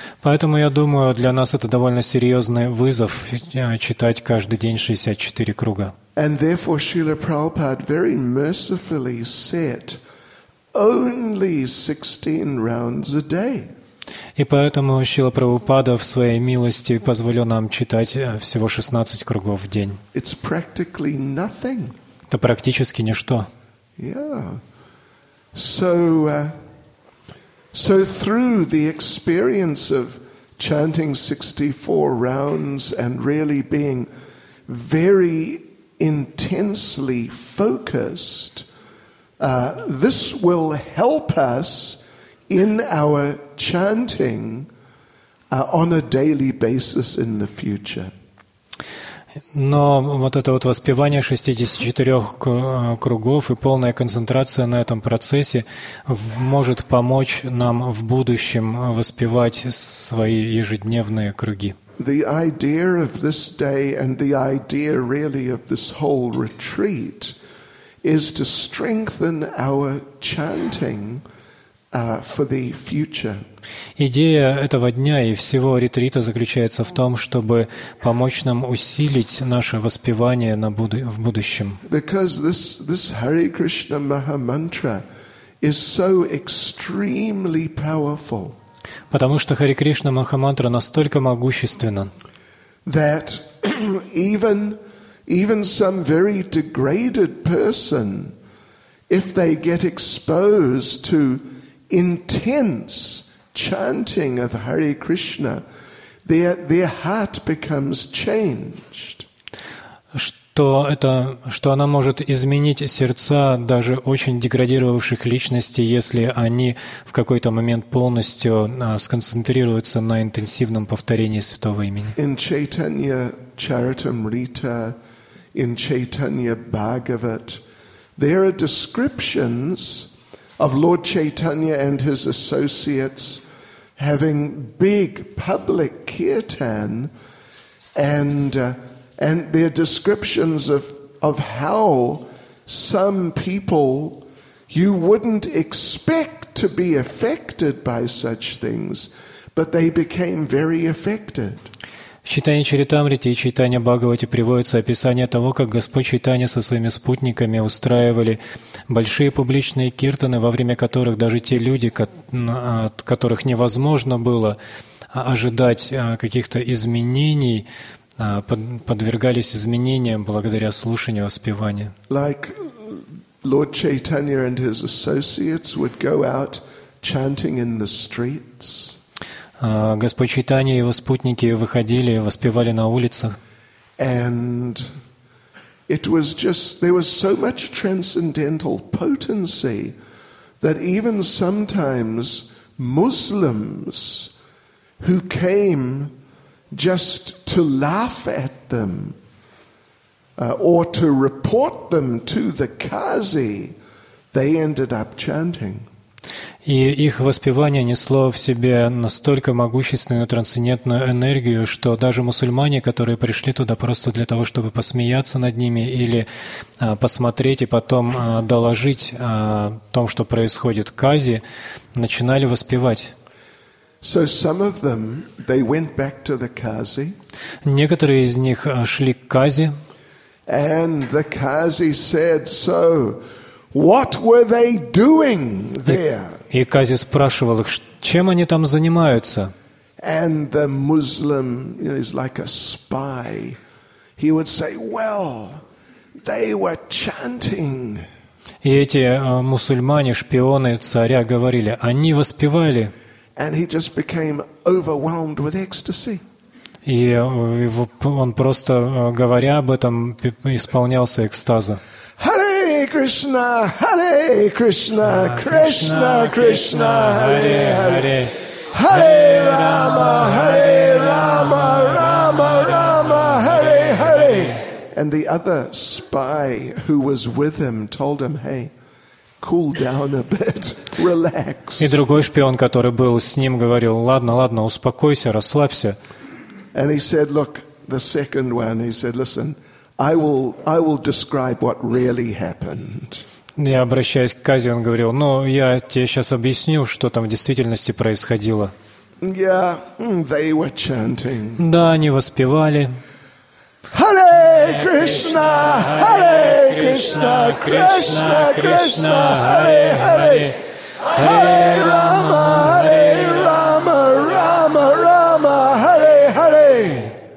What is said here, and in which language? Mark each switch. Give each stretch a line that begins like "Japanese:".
Russian: Поэтому я думаю, для нас это довольно серьезный вызов читать каждый день 64 круга.
English: And therefore Srila Prabhupada very mercifully set only 16 rounds a day.
Russian: И поэтому Шрила Прабхупада в своей милости позволил нам читать всего 16 кругов в день.
English: It's practically nothing.
Russian: Это практически ничто.
English: Yeah. So through the experience of chanting 64 rounds and really being very intensely focused, this will help us in our chanting on a daily basis in the future.
Russian: Но вот это вот воспевание 64 кругов и полная концентрация на этом процессе может помочь нам в будущем воспевать свои ежедневные круги.
English: The idea of this day and the idea really of this whole retreat is to strengthen our chanting for the future.
Russian: Идея этого дня и всего ретрита заключается в том, чтобы помочь нам усилить наше воспевание в будущем.
English: Because this Hare Krishna Maha Mantra is so extremely powerful.
Russian: Потому что Hare Krishna Maha Mantra настолько могущественна.
English: That even some very degraded person, if they get exposed to intense chanting of Hare Krishna, their heart becomes changed.
Russian: Что она может изменить сердца даже очень деградировавших личностей, если они в какой-то момент полностью сконцентрируются на интенсивном повторении святого имени.
English: In Chaitanya Charitamrita, in Chaitanya Bhagavat, there are descriptions of Lord Chaitanya and his associates having big public kirtan, and their descriptions of how some people you wouldn't expect to be affected by such things, but they became very affected.
Russian: В Чайтанья Чаритамрите и Чайтанья Бхагавате приводится описание того, как Господь Чайтанья со своими спутниками устраивали большие публичные киртаны, во время которых даже те люди, от которых невозможно было ожидать каких-то изменений, подвергались изменениям благодаря слушанию, воспеванию.
English: Like Lord Chaitanya and his associates would go out chanting in the streets.
Russian: Господь Чайтанья и его спутники выходили, воспевали на улицах.
English: And it was just, there was so much transcendental potency that even sometimes Muslims who came just to laugh at them or to report them to the Qazi, they ended up chanting.
Russian: И их воспевание несло в себе настолько могущественную трансцендентную энергию, что даже мусульмане, которые пришли туда просто для того, чтобы посмеяться над ними или посмотреть и потом доложить о том, что происходит в Кази, начинали воспевать.
English: So some of them, they went back to the Qazi.
Russian: Некоторые из них шли к Кази.
English: And the Qazi said, so what were they doing there?
Russian: И Кази спрашивал их, чем они там занимаются.
English: And the Muslim, you know, is like a spy. He would say, well, they were chanting.
Russian: И эти мусульмане, шпионы царя говорили, они воспевали.
English: And he just became overwhelmed with ecstasy.
Russian: И он просто, говоря об этом, исполнялся экстаза.
Sanskrit: Krishna, Hare Krishna, Krishna, Krishna, Hare Hare, Hare Rama, Hare Rama, Rama Rama, Hare Hare.
English: And the other spy who was with him told him, hey, cool down a bit, relax.
Russian: И другой шпион, который был с ним, говорил: "Ладно, ладно, успокойся, расслабься".
English: And he said, "Look, the second one." He said, "Listen, I will describe what really happened."
Russian: Я обращаюсь к Кази, он говорил: "Но я тебе сейчас объясню, что там в действительности происходило".
English: Yeah, they were chanting.
Russian: Да, они воспевали.
Sanskrit: Hare Krishna, Hare Krishna, Krishna Krishna, Hare Hare, Hare Rama, Hare Rama, Rama Rama, Hare Hare.